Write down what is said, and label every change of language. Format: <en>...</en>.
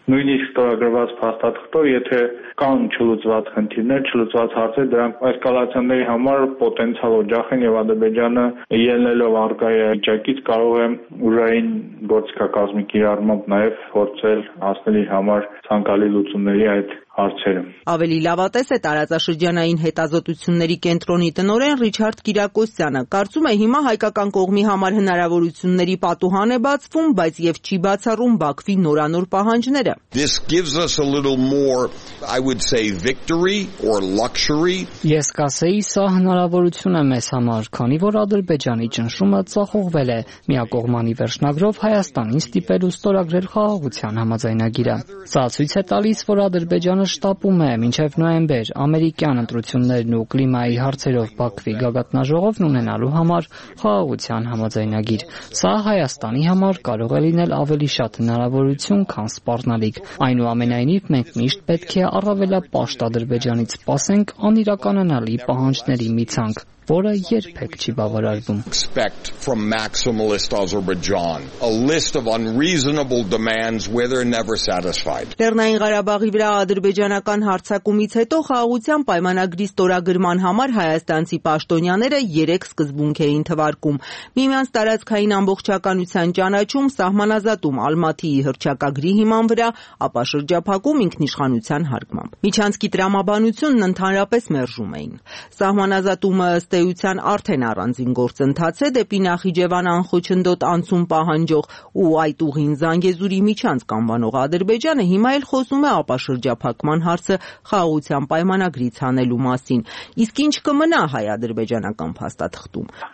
<hy>Նույնիսկ ստորագրված փաստաթղթով, եթե կան չլուծված խնդիրներ, չլուծված հարցեր, դրանք էսկալացիաների համար պոտենցիալ օջախ են, եւ Ադրբեջանը ելնելով առկա վիճակից կարող է ուժային գործիքակազմի կիրառմամբ նաև փորձել հասնել իր համար ցանկալի լուծումների այդ հարցերը։ Ավելի լավատես է տարածաշրջանային հետազոտությունների կենտրոնի տնօրեն Ռիչարդ Կիրակոսյանը, կարծում է հիմա հայկական կողմի համար հնարավորությունների պատուհան է բացվում, բայց եւ չի բացառում Բաքվի նորանոր պահանջները։</hy> <en>This gives us a little more, I would say, victory or luxury.</en> <hy>Ես կասեի, սա հնարավորություն է մեզ համար, քանի որ Ադրբեջանի ճնշումը ծախողվել է միակողմանի վերջնագրով Հայաստանին ստիպելու ստորագրել խաղաղության համաձայնագիրը։ Սա ցույց է տալիս, որ Ադրբեջանը շտապում է, մինչև նոյեմբեր ամերիկյան ընտրություններն ու կլիմայի հարցերով Բաքվի գագաթնաժողովն ունենալու համար խաղաղության համաձայնագիր։ Սա Հայաստանի համար կարող է լինել ավելի շատ հնարավորություն, քան սպառնալիք։ Այնուամենայնիվ մենք միշտ պետք է առավելապաշտ Ադրբեջանից սպասենք անիրականանալի պահանջների մի ցանկ, որը երբեք չի բավարարվում։</hy> <en>Expect from maximalist Azerbaijan a list of unreasonable demands where they're never satisfied.</en> <hy>Լեռնային Ղարաբաղի վրա ադրբեջանական հարձակումից հետո խաղաղության պայմանագրի ստորագրման համար հայաստանցի պաշտոնյաները 3 սկզբունք էին թվարկում. միմյանց տարածքային ամբողջականության ճանաչում, սահմանազատում Ալմատիի հռչակագրի հիման վրա, ապա շրջափակում ինքնիշխանության հարգմամբ։ Միջանցքի տրամաբանությունն ընդհանրապես մերժում էին։ Սահմանազատումը ստեյության արդեն առանձին գործ ընթաց է դեպի Նախիջևան անխոչնդոտ անցում պահանջող ու այդ ուղին Զանգեզուրի միջանց կանվանող Ադրբեջանը հիմա էլ խոսում է ապաշրջափակման հարցը խաղաղության պայմանագրից հանելու մասին։ Իսկ ինչ կմնա հայ-ադրբեջանական փաստաթղթում։</hy>